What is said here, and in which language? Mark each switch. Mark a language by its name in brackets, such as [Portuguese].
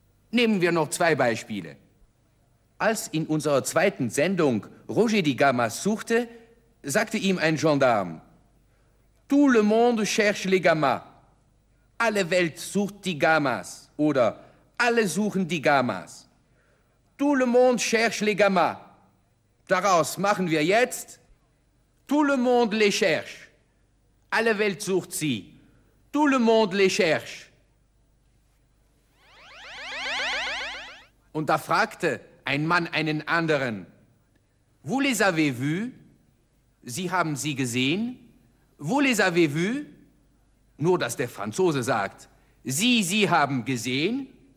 [German] Nehmen wir noch zwei Beispiele. Als in unserer zweiten Sendung Roger die Gammas suchte, sagte ihm ein Gendarme: [French] Tout le monde cherche les Gammas. [German] Alle Welt sucht die Gammas. Oder alle suchen die Gammas. [French] Tout le monde cherche les Gammas. [German] Daraus machen wir jetzt: [French] Tout le monde les cherche. [German] Alle Welt sucht sie. [French] Tout le monde les cherche. [German] Und da fragte ein Mann einen anderen: [French] Vous les avez vu? [German] Sie haben sie gesehen? [French] Vous les avez vu? [German] Nur dass der Franzose sagt: Sie haben gesehen?